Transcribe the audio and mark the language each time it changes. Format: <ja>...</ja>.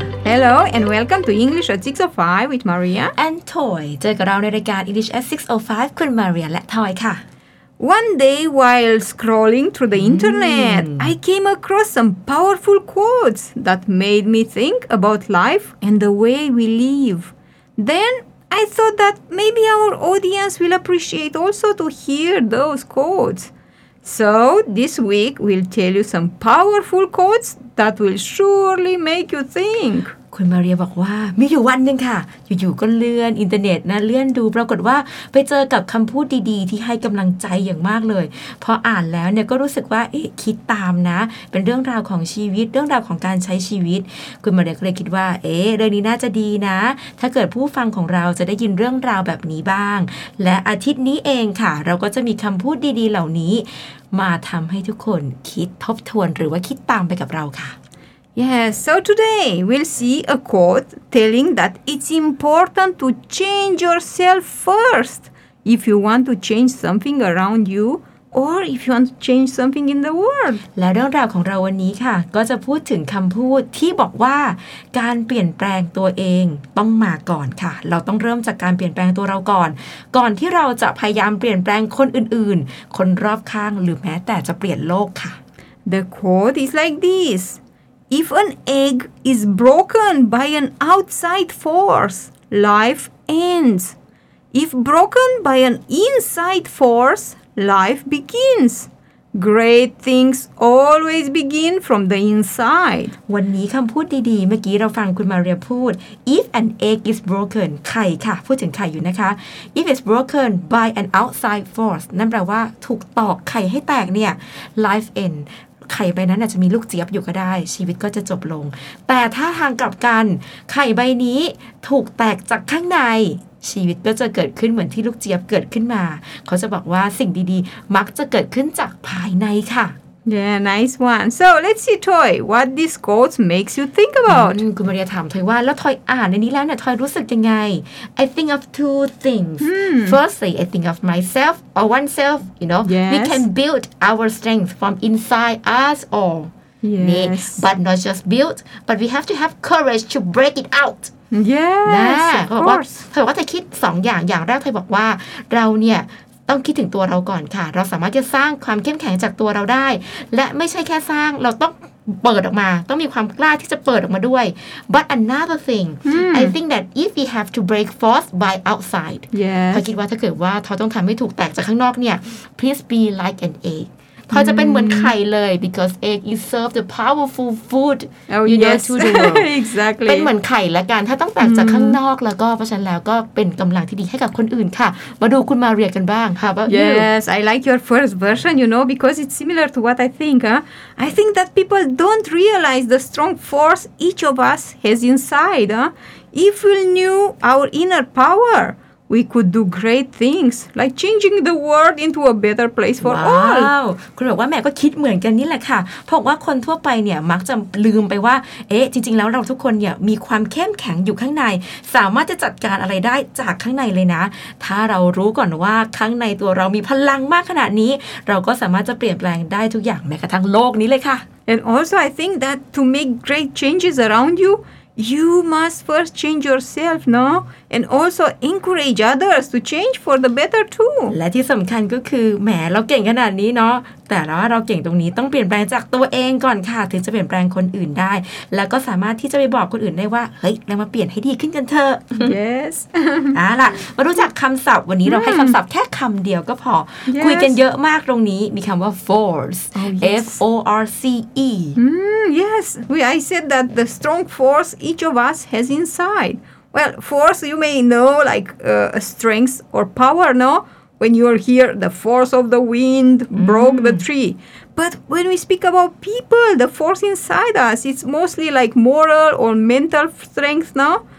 <en>Hello and welcome to English at 6:05 with Maria and Toy.</en> <th>เจอกับเราในรายการ English at 6:05 คุณ Maria และ Toy ค่ะ</th> <en>One day while scrolling through the internet, I came across some powerful quotes that made me think about life and the way we live. Then I thought that maybe our audience will appreciate also to hear those quotes. So this week we'll tell you some powerful quotes that will surely make you think.</en> <th>คุณมาเรียบอกว่ามีอยู่วันนึงค่ะอยู่ๆก็เลื่อนอินเทอร์เน็ตนะเลื่อนดูปรากฏว่าไปเจอกับคำพูดดีๆที่ให้กำลังใจอย่างมากเลยพออ่านแล้วเนี่ยก็รู้สึกว่าเอ๊ะคิดตามนะเป็นเรื่องราวของชีวิตเรื่องราวของการใช้ชีวิตคุณมาเรียก็เลยคิดว่าเอ๊ะเรื่องนี้น่าจะดีนะถ้าเกิดผู้ฟังของเราจะได้ยินเรื่องราวแบบนี้บ้างและอาทิตย์นี้เองค่ะเราก็จะมีคำพูดดีๆเหล่านี้มาทำให้ทุกคนคิดทบทวนหรือว่าคิดตามไปกับเราค่ะ</th> <en>Yes, so today we'll see a quote telling that it's important to change yourself first if you want to change something around you or if you want to change something in the world.</en> <th>และเรื่องราวของเราวันนี้ค่ะก็จะพูดถึงคำพูดที่บอกว่าการเปลี่ยนแปลงตัวเองต้องมาก่อนค่ะเราต้องเริ่มจากการเปลี่ยนแปลงตัวเราก่อนที่เราจะพยายามเปลี่ยนแปลงคนอื่นๆคนรอบข้างหรือแม้แต่จะเปลี่ยนโลกค่ะ</th> <en>The quote is like this. If an egg is broken by an outside force, life ends. If broken by an inside force, life begins. Great things always begin from the inside.</en> <th>วันนี้คำพูดดีๆเมื่อกี้เราฟังคุณมาเรียพูด</th> <en>If an egg is broken,</en> <th>ไข่ค่ะพูดถึงไข่อยู่นะคะ</th> <en>If it's broken by an outside force,</en> <th>นั่นแปลว่าถูกตอกไข่ให้แตกเนี่ย</th> <en>life ends</en> <th>ไข่ใบนั้นอาจจะมีลูกเจี๊ยบอยู่ก็ได้ชีวิตก็จะจบลงแต่ถ้าทางกลับกันไข่ใบนี้ถูกแตกจากข้างในชีวิตก็จะเกิดขึ้นเหมือนที่ลูกเจี๊ยบเกิดขึ้นมาเขาจะบอกว่าสิ่งดีๆมักจะเกิดขึ้นจากภายในค่ะ</th> <en>Yeah, nice one. So let's see, Toy, what this quote makes you think about?</en> <th>คุณมาเรียถามทอยว่าแล้วทอยอ่านในนี้แล้วเนี่ยทอยรู้สึกยังไง</th> <en>I think of two things. Firstly, I think of myself or oneself, you know. Yes. We can build our strength from inside us all. Yes. But not just build, but we have to have courage to break it out. Yes, of course.</en> <th>เธอบอกว่าเธอคิดสองอย่างอย่างแรกเธอบอกว่าเราเนี่ยต้องคิดถึงตัวเราก่อนค่ะเราสามารถจะสร้างความเข้มแข็งจากตัวเราได้และไม่ใช่แค่สร้างเราต้องเปิดออกมาต้องมีความกล้าที่จะเปิดออกมาด้วย</th> <en>But another thing I think that if we have to break force by outside yes.</en> <th>เธอคิดว่าถ้าเกิดว่าเธอต้องทำให้ถูกแตกจากข้างนอกเนี่ย</th> <en>Please be like an egg</en> <th>เขาจะเป็นเหมือนไข่เลย</th> <en>because egg is served the powerful food oh, you yes. know to the world exactly</en> <th>เป็นเหมือนไข่ละกันถ้าต้องแตกจากข้างนอกแล้วก็เพราะฉะนั้นแล้วก็เป็นกำลังที่ดีให้กับคนอื่นค่ะมาดูคุณมาเรียกันบ้างค่ะ</th> <en>yes I like your first version you know because it's similar to what I think huh? I think that people don't realize the strong force each of us has inside huh? if we knew our inner powerWe could do great things, like changing the world into a better place for all. Wow!</en> <th>คุณบอกว่าแม่ก็คิดเหมือนกันนี่แหละค่ะเพราะว่าคนทั่วไปเนี่ยมักจะลืมไปว่าเอ๊ะจริงๆแล้วเราทุกคนเนี่ยมีความเข้มแข็งอยู่ข้างในสามารถจะจัดการอะไรได้จากข้างในเลยนะถ้าเรารู้ก่อนว่าข้างในตัวเรามีพลังมากขนาดนี้เราก็สามารถจะเปลี่ยนแปลงได้ทุกอย่างแม้กระทั่งโลกนี้เลยค่ะ</th> <en>And also, I think that to make great changes around you. You must first change yourself, no? And also encourage others to change for the better too.</en> <th>และที่สำคัญก็คือแหมเราเก่งขนาดนี้เนาะแต่ว่าเราเก่งตรงนี้ต้องเปลี่ยนแปลงจากตัวเองก่อนค่ะถึงจะเปลี่ยนแปลงคนอื่นได้แล้วก็สามารถที่จะไปบอกคนอื่นได้ว่าเฮ้ยเรามาเปลี่ยนให้ดีขึ้นกันเถอะ</th> <en>Yes.</en> <th>เอาล่ะมารู้จักคำศัพท์วันนี้เราให้คำศัพท์แค่คำเดียวก็พอ</th> <en>yes.</en> <th>คุยกันเยอะมากตรงนี้มีคำว่า force.</th> <en>Oh, yes. F-O-R-C-E. Yes. I said that the strong force each of us has inside. Well, force you may know like strength or power, no? When you hear the force of the wind broke the tree. But when we speak about people, the force inside us, it's mostly like moral or mental strength, no?</en>